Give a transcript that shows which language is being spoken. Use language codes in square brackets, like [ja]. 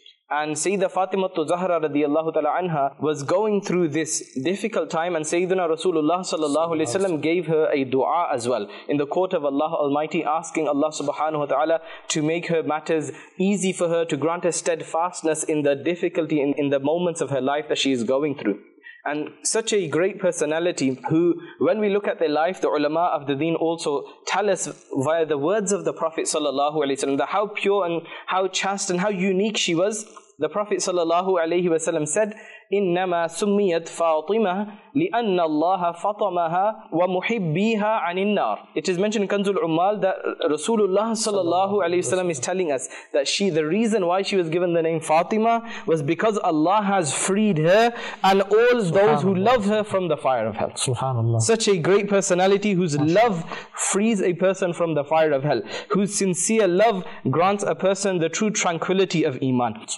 [en] And Sayyida Fatimatul Zahra radiallahu ta'ala anha was going through this difficult time, and Sayyidina Rasulullah sallallahu alayhi wa sallam gave her a dua as well in the court of Allah Almighty, asking Allah subhanahu wa ta'ala to make her matters easy for her, to grant her steadfastness in the difficulty in the moments of her life that she is going through. And such a great personality who, when we look at their life, the ulama of the deen also tell us via the words of the Prophet sallallahu alayhi wa sallam, that how pure and how chaste and how unique she was. The Prophet sallallahu alayhi wa sallam said, [ar] إِنَّمَا سُمِّيَتْ فَاطِمَةً لِأَنَّ اللَّهَ فَطَمَهَا وَمُحِبِّيهَا عَنِ النَّارِ. [en] It is mentioned in Kanzul Ummal that Rasulullah sallallahu alayhi wa sallam is telling us that she, the reason why she was given the name Fatima was because Allah has freed her and all those who love her from the fire of hell. Subhanallah. Such a great personality whose love frees a person from the fire of hell, whose sincere love grants a person the true tranquility of Iman.